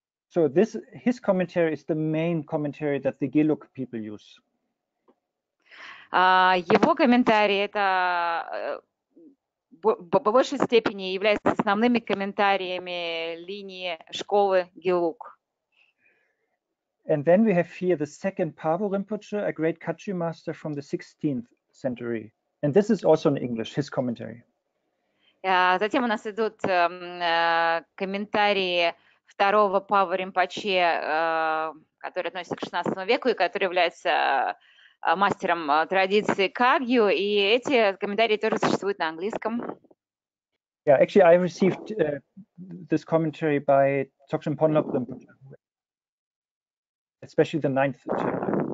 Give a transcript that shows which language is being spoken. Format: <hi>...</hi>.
<en>So this, his commentary is the main commentary that the Gelug people use.</en> <ru>Его комментарии это по большей степени являются основными комментариями линии школы Гелуг.</ru> <en>And then we have here the second Pavo Rinpoche, a great Kachi master from the 16th century. And this is also in English, his commentary.</en> <ru>Затем у нас идут комментарии второго Пава Ринпоче, который относится к 16 веку и который является мастером традиции Кагью. И эти комментарии тоже существуют на английском.</ru> <en>Yeah, actually, I received this commentary by Thokchen Ponlop, especially the ninth chapter.</en>